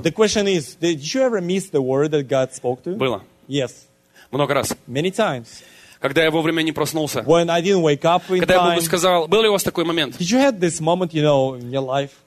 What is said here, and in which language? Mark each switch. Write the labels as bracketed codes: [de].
[en] The question is, did you ever miss the word that God spoke to? [ru] Было. [en] Yes. [ru] Много раз. [en] Many times. [ru] Когда я вовремя не проснулся. [en] When I didn't wake up in time. [ru] Когда я Богу сказал, был ли у вас такой момент? [en] Did you have this moment, you know, in your life?